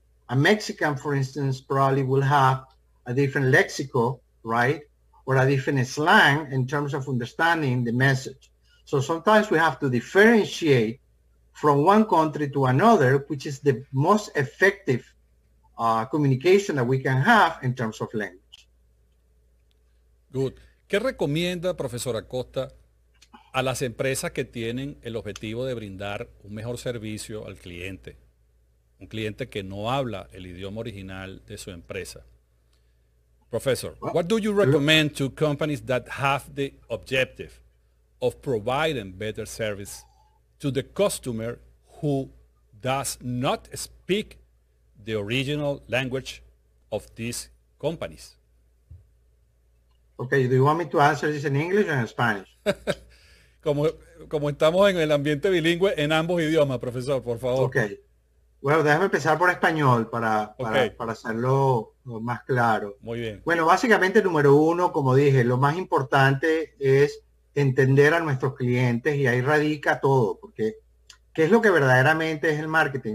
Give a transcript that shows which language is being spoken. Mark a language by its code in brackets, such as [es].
[en] A Mexican, for instance, probably will have a different lexical, right? Or a different slang in terms of understanding the message. So sometimes we have to differentiate from one country to another, which is the most effective communication that we can have in terms of language. Good. [es] ¿Qué recomienda, profesor Acosta, a las empresas que tienen el objetivo de brindar un mejor servicio al cliente? Un cliente que no habla el idioma original de su empresa. [en] Professor, well, what do you recommend to companies that have the objective of providing better service to the customer who does not speak the original language of these companies? Okay, do you want me to answer this in English or in Spanish? [es] Como estamos en el ambiente bilingüe, en ambos idiomas, profesor, por favor. [en] Okay. [es] Bueno, déjame empezar por español para hacerlo más claro. Muy bien. Bueno, básicamente, número uno, como dije, lo más importante es entender a nuestros clientes y ahí radica todo, porque ¿qué es lo que verdaderamente es el marketing?